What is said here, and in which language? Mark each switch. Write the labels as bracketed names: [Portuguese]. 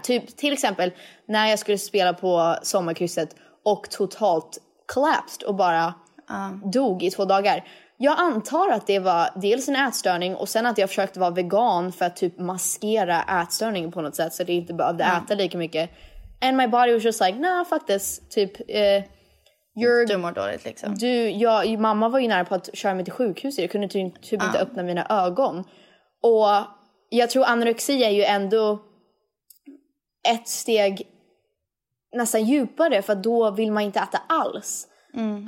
[Swedish] Typ, till exempel, när jag skulle spela på sommarkrysset och totalt collapsed och bara dog i 2 dagar. Jag antar att det var dels en ätstörning och sen att jag försökte vara vegan för att typ maskera ätstörningen på något sätt så att jag inte behövde äta lika mycket. [English] And my body was just like, nah, fuck this. [Swedish] Typ, du mår dåligt liksom. Mamma var ju nära på att köra mig till sjukhus. Jag kunde typ inte öppna mina ögon. Och jag tror anorexi är ju ändå ett steg nästan djupare, för då vill man inte äta alls. Mm.